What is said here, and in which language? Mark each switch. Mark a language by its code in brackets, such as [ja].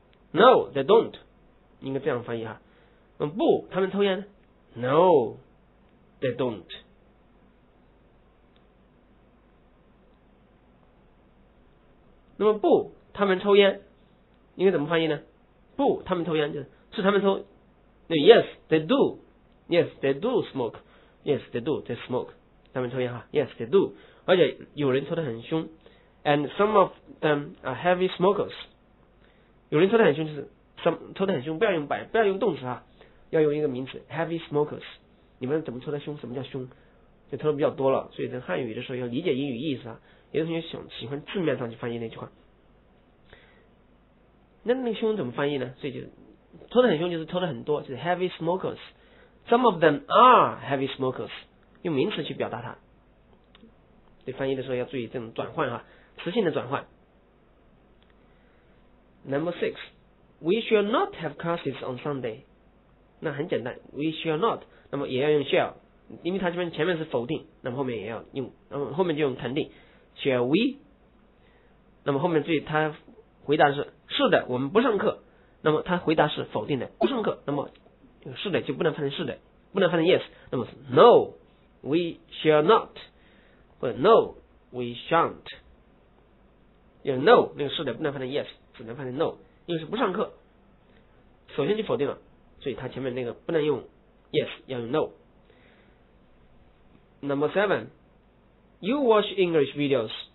[en] No, they don't. [zh] 应该这样翻译哈。不，他们抽烟。 [en] No, they don't. [zh] 那么不，他们抽烟，应该怎么翻译呢？不，他们抽烟就是。是他们抽 [en] no, ，Yes, they do. Yes, they do smoke. Yes, they do. They smoke. [zh] 他们抽烟哈 [en] ，Yes, they do. [zh] 而且有人抽得很凶 [en] ，and some of them are heavy smokers. [zh] 有人抽得很凶就是 some 抽得很凶，不要用动词哈，要用一个名词 ，heavy smokers. 你们怎么抽得凶？什么叫凶？就抽的比较多了，所以在汉语的时候要理解英语意思啊。有的同学喜欢字面上去翻译那句话，那凶怎么翻译呢？所以就。抽得很凶就是抽得很多，就是 heavy smokers. [en] Some of them are heavy smokers. [zh] 用名词去表达它。对翻译的时候要注意这种转换哈，词性的转换。 [en] Number six, we shall not have classes on Sunday. [zh] 那很简单 [en] ，we shall not. [zh] 那么也要用 shall， 因为它这边前面是否定，那么后面也要用，那么后面就用肯定 ，shall we？那么后面注意，他回答的是是的，我们不上课。那么他回答是否定的，不上课。那么是的就不能翻成是的，不能翻成 yes。那么是 [en] no, we shall not, [zh] 或者 [en] no, we shan't。 [zh] 有 no 那个是的不能翻成 yes， 只能翻成 no， 因为是不上课。首先就否定了，所以他前面那个不能用 yes， 要用 no。 [en] Number seven, you watch English videos。